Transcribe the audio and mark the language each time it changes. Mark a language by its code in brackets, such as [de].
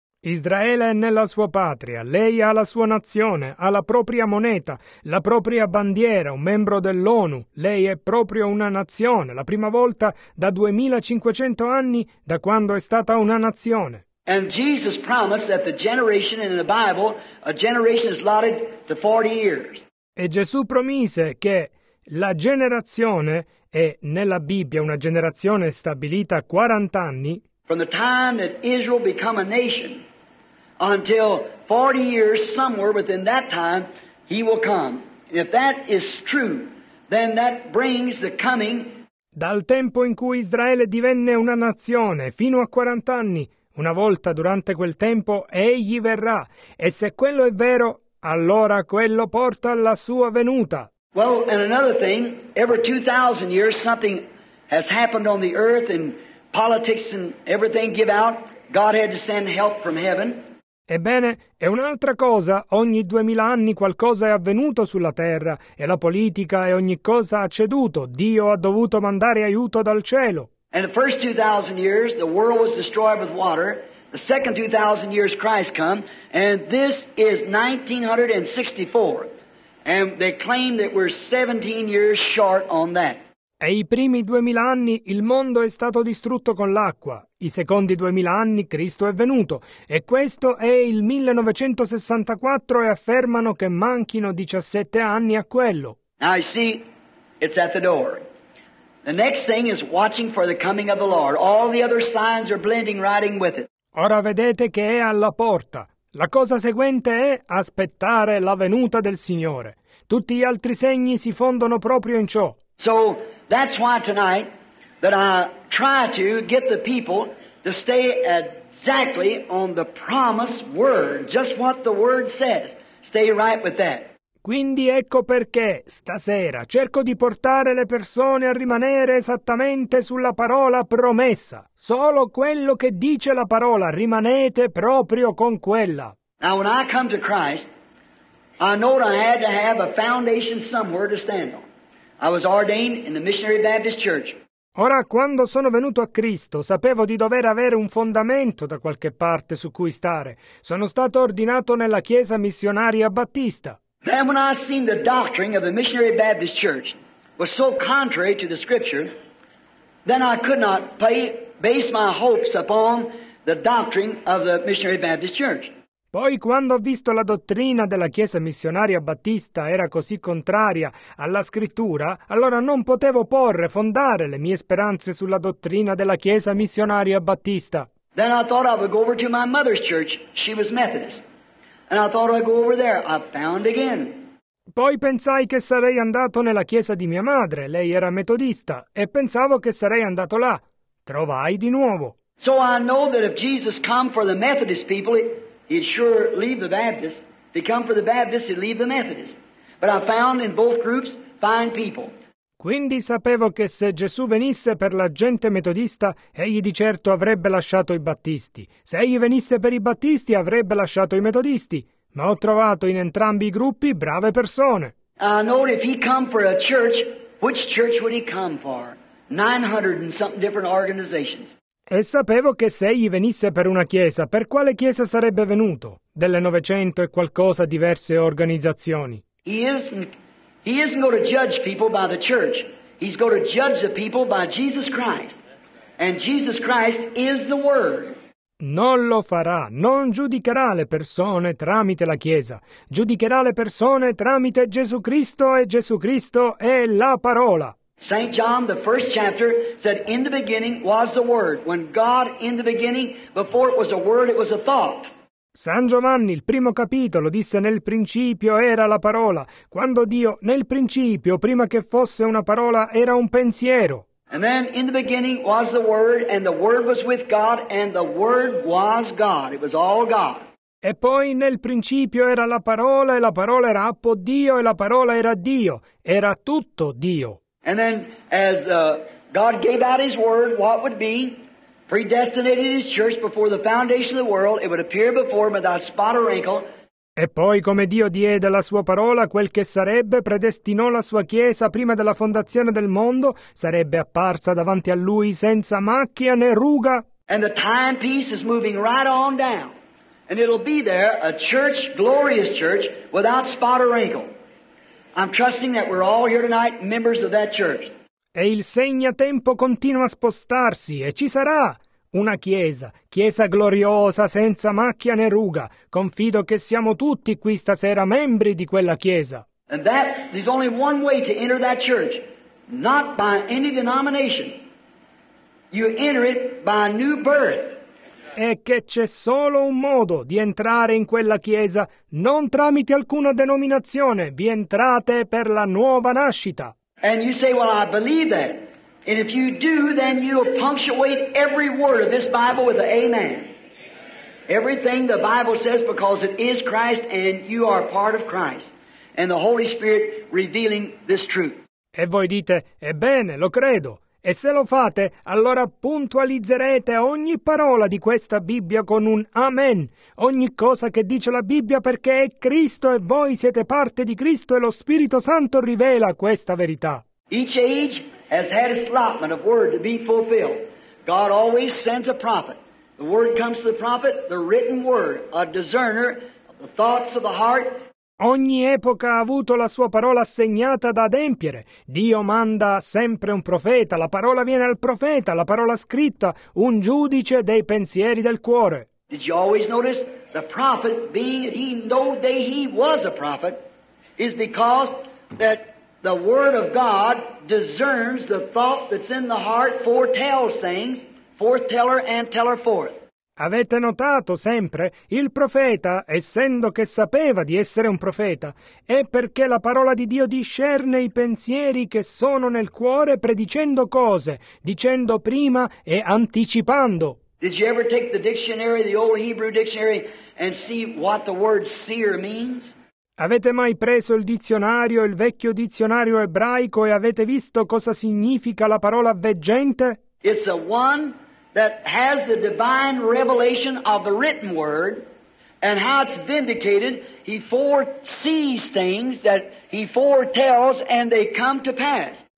[it] Israele è nella sua patria, lei ha la sua nazione, ha la propria moneta, la propria bandiera, un membro dell'ONU, lei è proprio una nazione, la prima volta da 2500 anni da quando è stata una nazione. [en] And Jesus promised that the generation in the Bible, a generation is allotted to 40 years. [it] E Gesù promise che la generazione è nella Bibbia una generazione stabilita a 40 anni. [en] From the time that Israel become a nation until 40 years somewhere within that time, he will come. If that is true, then that brings the coming. [it] Dal tempo in cui Israele divenne una nazione fino a 40 anni, una volta durante quel tempo egli verrà. E se quello è vero, allora quello porta alla sua venuta. [en] Well, and another thing, every 2,000 years something has happened on the earth and politics and everything give out, God had to send help from heaven. [it] Ebbene, è un'altra cosa, ogni 2000 anni qualcosa è avvenuto sulla terra, e la politica e ogni cosa ha ceduto, Dio ha dovuto mandare aiuto dal cielo. [en] And the first 2,000 years the world was destroyed with water, the second 2,000 years Christ come, and this is 1964, and they claim that we're 17 years short on that. [it] E i primi 2000 anni il mondo è stato distrutto con l'acqua, i secondi 2000 anni Cristo è venuto, e questo è il 1964 e affermano che manchino 17 anni a quello. [en] Now you see, it's at the door. The next thing is watching for the coming of the Lord. All the other signs are blending riding with it. [it] Ora vedete che è alla porta. La cosa seguente è aspettare la venuta del Signore. Tutti gli altri segni si fondono proprio in ciò. [en] So that's why tonight that I try to get the people to stay exactly on the promised word, just what the word says. Stay right with that. [it] Quindi ecco perché stasera cerco di portare le persone a rimanere esattamente sulla parola promessa. Solo quello che dice la parola, rimanete proprio con quella. [en] Now when I come to Christ, I know that I had to have a foundation somewhere to stand on. I was ordained in the Missionary Baptist Church. [it] Ora, quando sono venuto a Cristo, sapevo di dover avere un fondamento da qualche parte su cui stare. Sono stato ordinato nella Chiesa Missionaria Battista. [en] Then when I seen the doctrine of the Missionary Baptist Church was so contrary to the Scripture, then I could not base my hopes upon the doctrine of the Missionary Baptist Church. [it] Poi, quando ho visto la dottrina della Chiesa Missionaria Battista era così contraria alla Scrittura, allora non potevo porre, fondare le mie speranze sulla dottrina della Chiesa Missionaria Battista. [en] Then I thought I would go over to my mother's church. She was Methodist. And I thought I'd go over there. I found again. [it] Poi pensai che sarei andato nella chiesa di mia madre. Lei era metodista. E pensavo che sarei andato là. Trovai di nuovo. [en] So I know that if Jesus come for the Methodist people, he'd sure leave the Baptists. If he come for the Baptists, he'd leave the Methodists. But I found in both groups fine people. [it] Quindi sapevo che se Gesù venisse per la gente metodista, egli di certo avrebbe lasciato i battisti. Se egli venisse per i battisti, avrebbe lasciato i metodisti. Ma ho trovato in entrambi i gruppi brave persone. [en] I know if he come for a church, which church would he come for? 900 and something different organizations. [it] E sapevo che se egli venisse per una chiesa, per quale chiesa sarebbe venuto? Delle 900 e qualcosa diverse organizzioni. [en] He isn't going to judge people by the church. He's going to judge the people by Jesus Christ. And Jesus Christ is the Word. [it] Non lo farà. Non giudicherà le persone tramite la Chiesa. Giudicherà le persone tramite Gesù Cristo, e Gesù Cristo è la parola. [en] St. John, the first chapter, said, in the beginning was the Word. When God in the beginning, before it was a word, it was a thought. [it] San Giovanni, il primo capitolo, disse: nel principio era la parola. Quando Dio, nel principio, prima che fosse una parola, era un pensiero. [en] And then in the beginning was the Word, and the Word was with God, and the Word was God. It was all God. [it] E poi nel principio era la parola, e la parola era appo Dio, e la parola era Dio. Era tutto Dio. [en] And then as God gave out His Word, what would be? Predestinated his church before the foundation of the world, it would appear before him without spot or wrinkle. [it] E poi, come Dio diede la sua parola, quel che sarebbe, predestinò la sua chiesa prima della fondazione del mondo, sarebbe apparsa davanti a lui senza macchia né ruga. [en] And the timepiece is moving right on down. And it'll be there, a church, glorious church, without spot or wrinkle. I'm trusting that we're all here tonight, members of that church. [it] E il segnatempo continua a spostarsi, e ci sarà una chiesa, chiesa gloriosa, senza macchia né ruga. Confido che siamo tutti qui stasera membri di quella chiesa. [en] And that is only one way to enter that church, not by any denomination. You enter it by new birth. [it] E che c'è solo un modo di entrare in quella chiesa, non tramite alcuna denominazione. Vi entrate per la nuova nascita. [en] And you say, well, I believe that. And if you do, then you'll punctuate every word of this Bible with an amen. Everything the Bible says, because it is Christ and you are part of Christ. And the Holy Spirit revealing this truth. [it] E voi dite, ebbene, lo credo. E se lo fate, allora puntualizzerete ogni parola di questa Bibbia con un amen. Ogni cosa che dice la Bibbia, perché è Cristo e voi siete parte di Cristo e lo Spirito Santo rivela questa verità. [en] Each age has had its allotment of word to be fulfilled. God always sends a prophet. The word comes to the prophet, the written word, a discerner of the thoughts of the heart. [it] Ogni epoca ha avuto la sua parola assegnata da adempiere. Dio manda sempre un profeta, la parola viene al profeta, la parola scritta, un giudice dei pensieri del cuore. [en] Did you always notice the prophet being he know that he was a prophet is because that the word of God discerns the thought that's in the heart, foretells things, foreteller and teller forth. [it] Avete notato sempre? Il profeta, essendo che sapeva di essere un profeta, è perché la parola di Dio discerne i pensieri che sono nel cuore, predicendo cose, dicendo prima e anticipando. [en] Did you ever take the dictionary, the old Hebrew dictionary, and see what the word seer means? [it] Avete mai preso il dizionario, il vecchio dizionario ebraico, e avete visto cosa significa la parola veggente? [en] It's a one that has the divine revelation of the written word and how it's vindicated. He foresees things that he foretells and they come to pass.